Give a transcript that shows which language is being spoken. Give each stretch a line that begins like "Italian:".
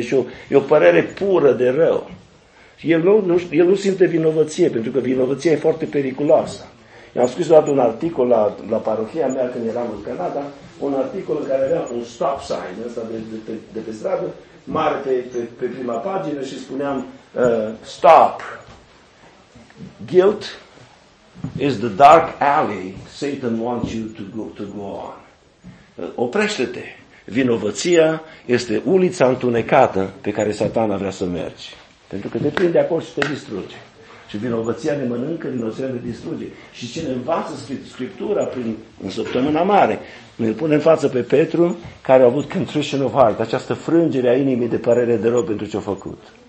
Romanian: Deci e o părere pură de rău. El nu simte vinovăție, pentru că vinovăția e foarte periculoasă. Eu am scris odată un articol la parohia mea când eram în Canada, un articol care avea un stop sign, ăsta de pe stradă, mare pe prima pagină și spuneam stop.
English: Guilt is the dark alley Satan wants you to go on.
Romanian: Oprește-te. Vinovăția este ulița întunecată pe care satana vrea să mergi. Pentru că te prinde acolo și te distruge. Și vinovăția ne mănâncă, vinovăția ne distruge. Și cine învață Scriptura în săptămâna mare, ne pune în față pe Petru, care a avut
English: contrition of heart,
Romanian: această frângere a inimii de părere de rău pentru ce a făcut.